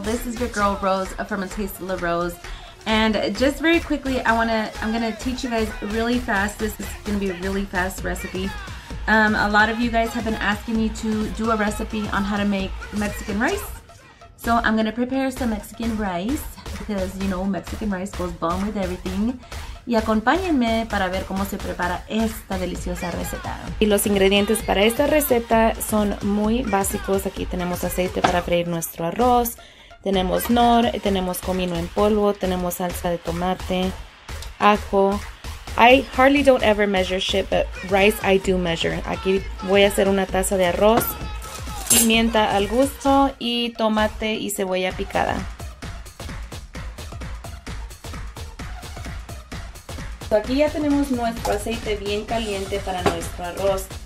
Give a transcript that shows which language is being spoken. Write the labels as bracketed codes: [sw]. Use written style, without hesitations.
[en] This is your girl Rose from A Taste of La Rose. And just very quickly, I'm gonna teach you guys really fast. This is gonna be a really fast recipe. A lot of you guys have been asking me to do a recipe on how to make Mexican rice. So I'm gonna prepare some Mexican rice because you know Mexican rice goes bomb with everything. [es] Y acompáñenme para ver cómo se prepara esta deliciosa receta. Y los ingredientes para esta receta son muy básicos. Aquí tenemos aceite para freír nuestro arroz. Tenemos Knorr, tenemos comino en polvo, tenemos salsa de tomate, ajo. [en] I hardly don't ever measure shit, but rice I do measure. [es] Aquí voy a hacer una taza de arroz, pimienta al gusto y tomate y cebolla picada. Aquí ya tenemos nuestro aceite bien caliente para nuestro arroz.